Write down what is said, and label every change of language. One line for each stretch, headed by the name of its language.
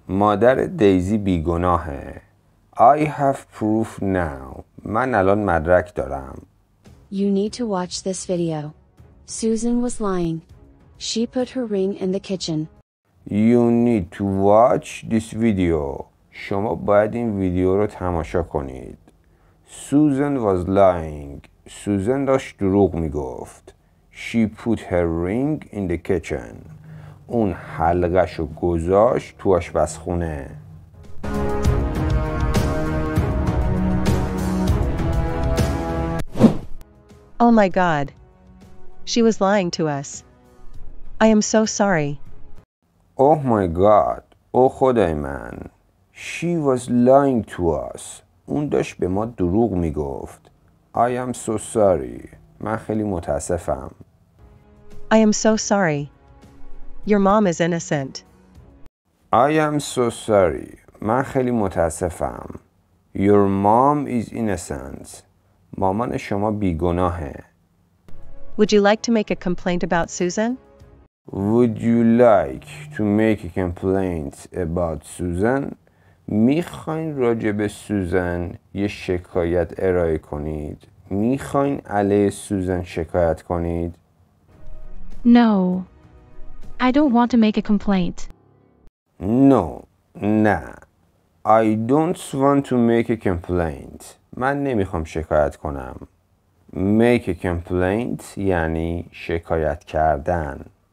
Persian: مادر دیزی بیگناهه.
English: I have proof now.
Persian: من الان مدرک دارم.
English: You need to watch this video. Susan was lying. She put her ring in the kitchen. You need to watch this video.
Persian: شما باید این ویدیو رو تماشا کنید.
English: Susan was lying.
Persian: سوزن داشت دروغ میگفت.
English: She put her ring in the kitchen.
Persian: اون حلقش رو گذاشت تو آشپزخونه.
English: Oh my God. She was lying to us. I am so sorry. Oh my God. Oh
Persian: خدای من.
English: She was lying to us.
Persian: اون داشت به ما دروغ میگفت.
English: I am so sorry.
Persian: من خیلی متاسفم.
English: I am so sorry. Your mom is innocent. I am so sorry.
Persian: من خیلی متاسفم.
English: Your mom is innocent.
Persian: مامان شما بیگناهه.
English: Would you like to make a complaint about Susan? Would you like to make a complaint about Susan?
Persian: میخواین راجع به سوزن یه شکایت ارائه کنید؟ میخواین علیه سوزن شکایت کنید؟
English: No. I don't want to make a complaint. No.
Persian: نه.
English: I don't want to make a complaint.
Persian: من نمیخوام شکایت کنم.
English: Make a complaint
Persian: یعنی شکایت کردن.